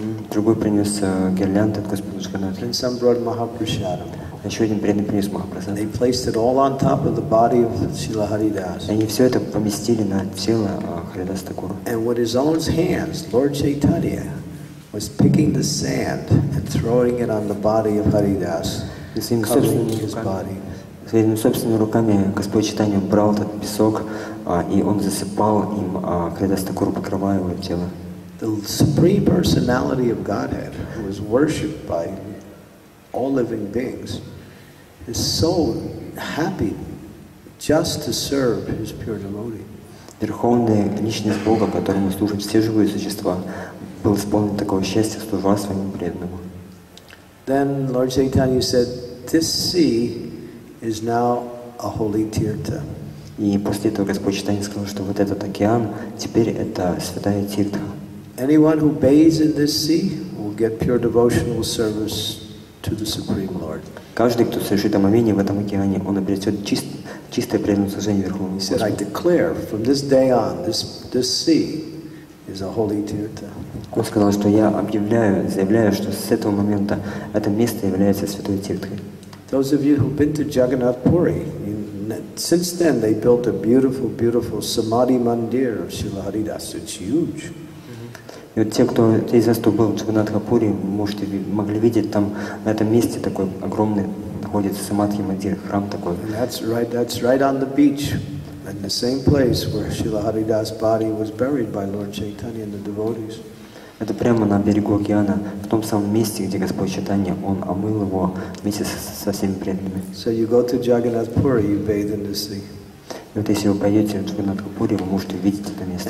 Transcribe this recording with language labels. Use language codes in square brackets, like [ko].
[ru] Другой принес гирлянды от Господа Джагнатха. [en] And some brought Mahaprasadam. [ru] Еще один преданный принес Mahaprasadam. [en] They placed it all on top of the body of Srila Haridas. [ru] Они все это поместили на тело Харидаса Такура. [en] And with his own hands, Lord Chaitanya was picking the sand and throwing it on the body of Haridas, covering his body. [ru] Собственными руками Господь Чайтанья брал этот песок, и он засыпал им Харидаса Такура, покрывая его тело. [en] The Supreme Personality of Godhead, who is worshipped by all living beings, is so happy just to serve his pure devotee. [ru] Верховная личность Бога, которому служат все живые существа, был исполнен такого счастья, служа своему преданному. [en] Then Lord Chaitanya said, "This sea is now a holy tirtha." [ru] И после этого Господь Чайтанья сказал, что вот этот океан теперь это святая тирта. [en] Anyone who bathes in this sea will get pure devotional service to the Supreme Lord. [ru] Каждый, кто совершит омовение в этом океане, он обретет чистое преданное служение Верховному Господу. [en] He said, "I declare from this day on, this sea is a holy tirtha." [ru] Он сказал, что я объявляю, заявляю, что с этого момента это место является святой тиртхой. [en] Those of you who've been to Jagannath Puri, since then they built a beautiful, beautiful samadhi mandir of Srila Haridas. It's huge. [ru] И вот те, кто из вас был в Джаганнатха Пури, могли видеть там на этом месте такой огромный находится самадхи мандир, храм такой. [en] That's right on the beach. In the same place where Srila Haridas' body was buried by Lord Chaitanya and the devotees. [ru] Это прямо на берегу океана, в том самом месте, где Господь Чайтанья, он омыл его вместе со всеми преданными. [en] So you go to Jagannath Puri, you bathe in the sea. [ru] И вот если вы пойдете в Джаганнатха Пури, вы можете увидеть это место.